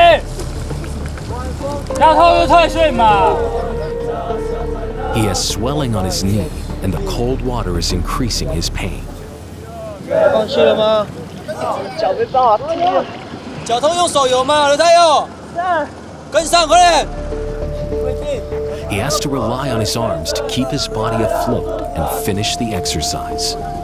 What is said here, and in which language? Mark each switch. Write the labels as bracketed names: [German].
[Chinese] 没有跟课就退训了，他下一堂没有走完，所以他这两堂啊，他只要有在一节没完成，就一定要退训的。有没有帮忙听？要退就退训嘛。 [English] He has swelling on his knee, and the cold water is increasing his pain. [Chinese] 放弃了吗？脚没办法踢了，脚痛用手游吗？刘太佑，跟上快点。 [English] He has to rely on his arms to keep his body afloat and finish the exercise.